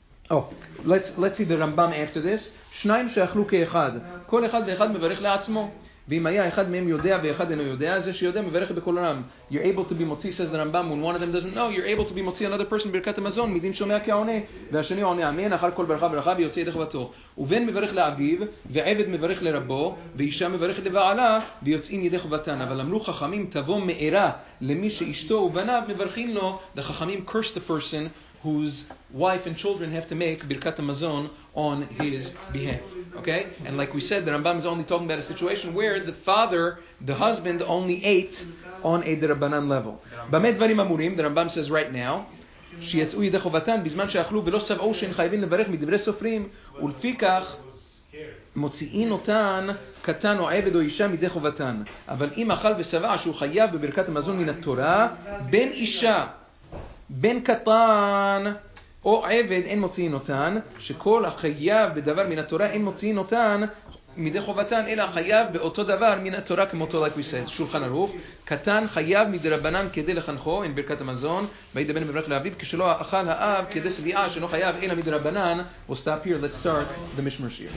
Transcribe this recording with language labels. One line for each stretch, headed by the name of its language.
English: Oh, let's see the Rambam after this.
Hebrew: Shnayim she'achlu ke'echad. Kol echad ve'echad mevarech le'atzmo. ואם היה אחד מהם יודע ואחד אינו יודע, זה שיודע מברך בכל רם.
English: You're able to be מוציא, says the Rambam, when one of them doesn't know, you're able to be מוציא another person
Hebrew: ברכת המזון, מדין שומע כעונה, והשני עונה אמן, אחר כל ברכה וברכה, ויוצא ידי חובתו. ובן מברך לאביו, ועבד מברך לרבו, ואישה מברכת לבעלה, ויוצאים ידי חובתן. אבל אמרו חכמים, תבוא מאירה למי שאשתו ובניו מברכים לו, וחכמים
English: curse the person whose wife and children have to make birkat amazon on his behalf.
Hebrew: Okay?
English: And like we said, the Rambam is only talking about a situation where the father, the husband, only ate on a derabanan level.
Hebrew: B'me dvarim amurim,
English: the Rambam says right now,
Hebrew: שיצאו ידי חובתן בזמן שאכלו ולא סבעו שהן חייבים לברך מדברי סופרים, ולפיכך מוציאין אותן קטן או עבד או אישה מדי חובתן. אבל אם אכל וסבע שהוא חייב בברכת המזון מן התורה, בן אישה, בן קטן או עבד אין מוציאין אותן, שכל החייב בדבר מן התורה אין מוציאין אותן מדי חובתן, אלא חייב באותו דבר מן התורה כמותו,
English: like we said,
Hebrew: שולחן ערוך, קטן חייב מדרבנן כדי לחנכו, אין ברכת המזון, וידע בן מברך לאביו, כשלא אכל האב כדי סביעה שלא חייב, אלא מדרבנן.
English: We'll stop here, let's start the Mishmar Shir. Yeah.